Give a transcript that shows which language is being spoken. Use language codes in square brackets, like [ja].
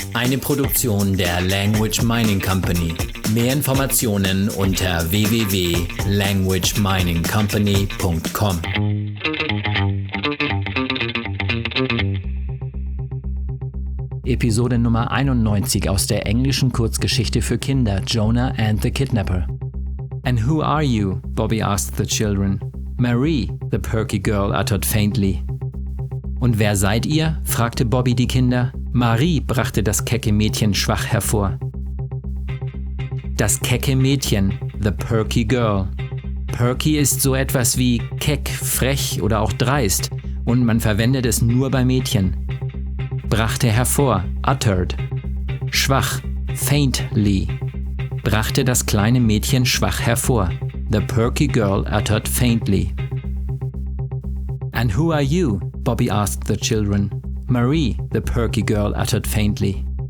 [de] Eine Produktion der Language Mining Company. Mehr Informationen unter www.languageminingcompany.com. Episode Nummer 91 aus der englischen Kurzgeschichte für Kinder, Jonah and the Kidnapper. [en] "And who are you?" Bobby asked the children. "Marie," the perky girl uttered faintly. [de] "Und wer seid ihr?" fragte Bobby die Kinder. "Marie," brachte das kecke Mädchen schwach hervor. Das kecke Mädchen, [en] the perky girl. [de] Perky ist so etwas wie keck, frech oder auch dreist und man verwendet es nur bei Mädchen. Brachte hervor, uttered. Schwach, faintly. Brachte das kleine Mädchen schwach hervor. [en] The perky girl uttered faintly. "And who are you?" Bobby asked the children. "Marie," the perky girl uttered faintly.